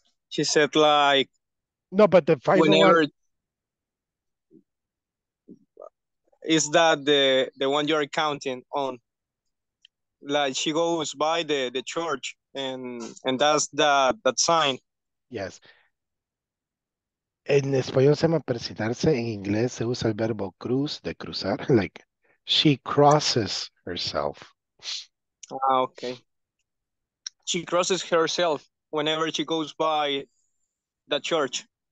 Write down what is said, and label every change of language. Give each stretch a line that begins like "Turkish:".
English: She said like... No, but the final one... Is that the one you're counting on? Like she goes by the church and that's that sign. Yes.
Spanish: En español se llama presentarse, en inglés se usa el verbo cruz, de cruzar,
English: like she crosses herself. Ah, okay. She crosses herself whenever she goes by the church.